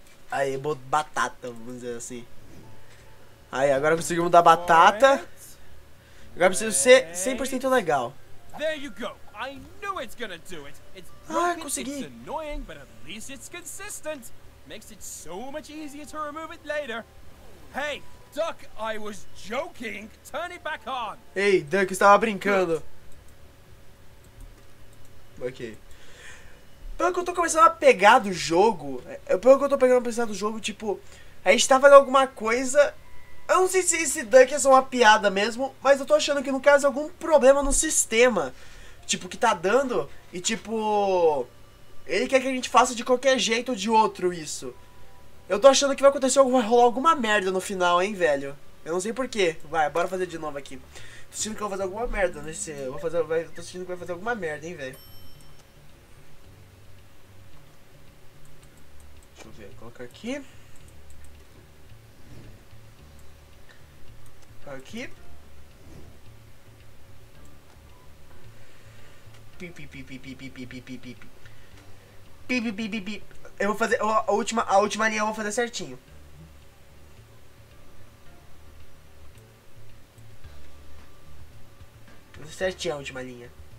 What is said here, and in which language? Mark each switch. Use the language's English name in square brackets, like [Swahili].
[Portuguese] Aí, batata, vamos dizer assim. Aí, agora conseguimos dar batata. Agora preciso ser 100% legal. [English] There you go. I knew it's gonna do it. It's broken, [Portuguese] consegui. [English] It's annoying, but at least it's consistent. Makes it so much easier to remove it later. Hey, Duck, I was joking. Turn it back on. [Portuguese] Ei, Duck, estava brincando. Ok. Pelo que eu tô começando a pegar do jogo, pelo que eu tô pegando a pensar do jogo, tipo, a gente tá fazendo alguma coisa. Eu não sei se esse Duck é só uma piada mesmo, mas eu tô achando que no caso é algum problema no sistema. Tipo, que tá dando e tipo, ele quer que a gente faça de qualquer jeito ou de outro isso. Eu tô achando que vai acontecer, vai rolar alguma merda no final, hein, velho. Eu não sei porquê. Vai, bora fazer de novo aqui. Tô sentindo que eu vou fazer alguma merda nesse. Tô sentindo que vai fazer alguma merda, hein, velho. Deixa eu ver, colocar aqui. Aqui. Pip, pip, pip, pip, pip, pip, pip. Pip, pip, pip. Eu vou fazer a última linha, eu vou fazer certinho. Certinho a última linha.